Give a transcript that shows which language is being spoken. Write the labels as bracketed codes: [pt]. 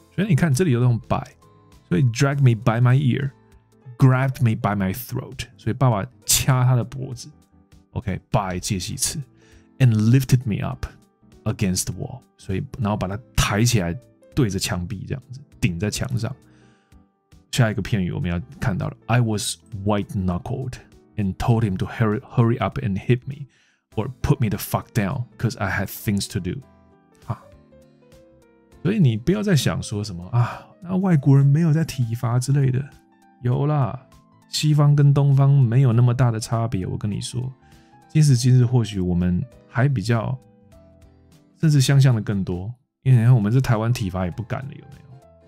[zh] 所以你看，这里有这种 [en] by， [zh] 所以 [en] dragged me by my ear， grabbed me by my throat。 [zh] 所以爸爸掐他的脖子 ，OK， by 介系词 ， [en] and lifted me up against the wall。 [zh] 所以然后把他抬起来，对着墙壁这样子，顶在墙上。下一个片语我们要看到了 [en] ，I was white knuckled and told him to hurry up and hit me。 Or put me the fuck down, cause I had things to do. [zh] 啊，所以你不要再想说什么啊，那外国人没有在体罚之类的，有啦，西方跟东方没有那么大的差别。我跟你说，今时今日或许我们还比较，甚至相像的更多，因为你看我们在台湾体罚也不敢了，有没有？